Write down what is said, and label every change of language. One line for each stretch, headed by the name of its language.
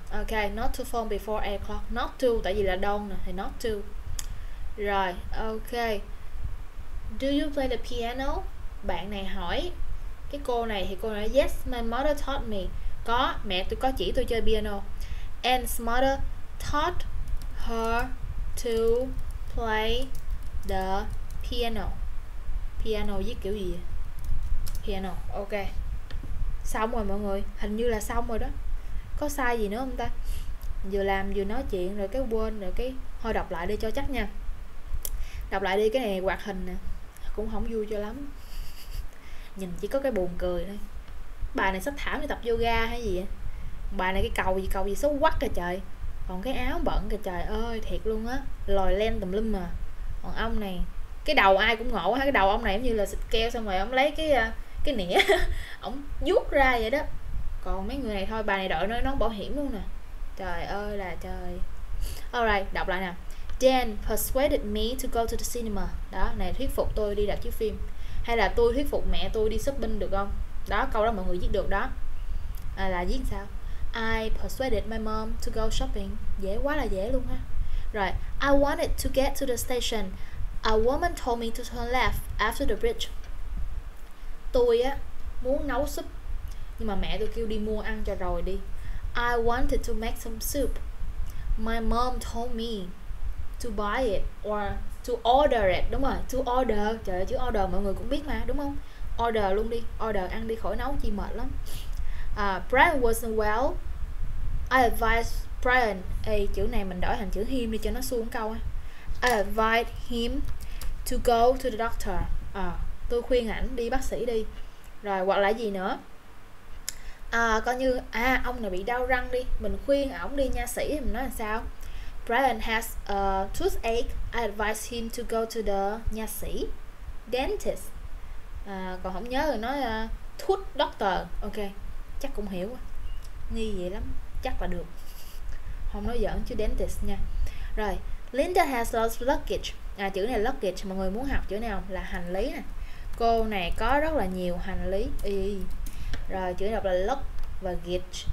English: Ok, not to phone before 8 o'clock. Not to,
Vietnamese: tại vì là đông nè, thì
English: not to. Rồi, ok. Do you play the piano?
Vietnamese: Bạn này hỏi. Cái cô này thì cô nói
English: yes, my mother taught me.
Vietnamese: Có, mẹ tôi có chỉ tôi chơi piano.
English: And mother taught her to play the piano.
Vietnamese: Piano viết kiểu gì vậy? Piano, ok. Xong rồi mọi người, hình như là xong rồi đó. Có sai gì nữa không ta? Vừa làm vừa nói chuyện rồi cái quên rồi cái. Thôi đọc lại đi cho chắc nha. Đọc lại đi, cái này hoạt hình nè. Cũng không vui cho lắm. Nhìn chỉ có cái buồn cười thôi. Bà này sắp thảm đi tập yoga hay gì vậy? Bà này cái cầu gì xấu quắc kìa trời. Còn cái áo bẩn kìa, trời ơi thiệt luôn á, lòi lên tùm lum mà. Còn ông này cái đầu ai cũng ngộ ha, cái đầu ông này giống như là xịt keo xong rồi ông lấy cái nĩa ông vuốt ra vậy đó. Còn mấy người này thôi, bà này đội nó nón bảo hiểm luôn nè, trời ơi là trời. Alright, đọc lại nè.
English: Dan persuaded me to go to the cinema.
Vietnamese: Đó, này thuyết phục tôi đi rạp chiếu phim. Hay là tôi thuyết phục mẹ tôi đi shopping được không? Đó, câu đó mọi người viết được đó. À, là viết sao?
English: I persuaded my mom to go shopping.
Vietnamese: Dễ quá là dễ luôn ha.
English: Rồi, I wanted to get to the station. A woman told me to turn left after the bridge.
Vietnamese: Tôi á muốn nấu súp nhưng mà mẹ tôi kêu đi mua ăn cho rồi đi.
English: I wanted to make some soup. My mom told me to buy it or to order it.
Vietnamese: Đúng rồi,
English: to order.
Vietnamese: Trời ơi, chữ order mọi người cũng biết mà, đúng không? Order luôn đi, order ăn đi, khỏi nấu chi mệt lắm.
English: Brian wasn't well. I advised Brian.
Vietnamese: Ê, chữ này mình đổi thành chữ him đi cho nó xuống câu ấy.
English: I advised him to go to the doctor.
Vietnamese: Tôi khuyên ảnh đi bác sĩ đi. Rồi, hoặc là gì nữa? Coi như ông này bị đau răng đi, mình khuyên ổng đi nha sĩ, mình nói làm sao?
English: Brian has a toothache. I advise him to go to the nha sĩ, dentist.
Vietnamese: Còn không nhớ thì nói thuốc doctor. Ok, chắc cũng hiểu quá. Nghi vậy lắm, chắc là được. Không nói giỡn chứ dentist nha. Rồi,
English: Linda has lost luggage.
Vietnamese: Chữ này luggage, mọi người muốn học chữ nào? Là hành lý nè. Cô này có rất là nhiều hành lý. Rồi, chữ đọc là lock và gate.